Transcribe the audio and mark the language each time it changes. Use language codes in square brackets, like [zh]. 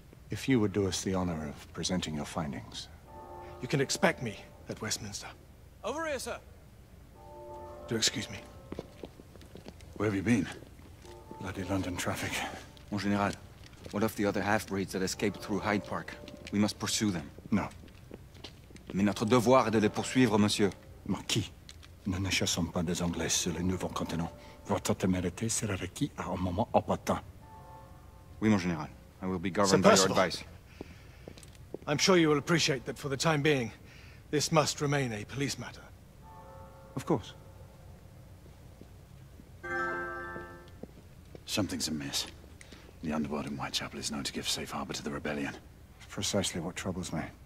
[en] If you would do us the honor of presenting your findings. You can expect me at Westminster. Over here, sir. Do excuse me. Where have you been? Bloody London traffic. [fr] Mon général, [en] what of the other half-breeds that escaped through Hyde Park? We must pursue them. No. [fr] Mais notre devoir est de les poursuivre, monsieur. Marquis, nous ne chassons pas des Anglais sur le nouveau continent. Votre témérité sera requis à un moment opportun. Oui, mon général. [en] I will be governed by your advice. I'm sure you will appreciate that for the time being, this must remain a police matter. Of course. Something's amiss. The underworld in Whitechapel is known to give safe harbor to the rebellion. Precisely what troubles me.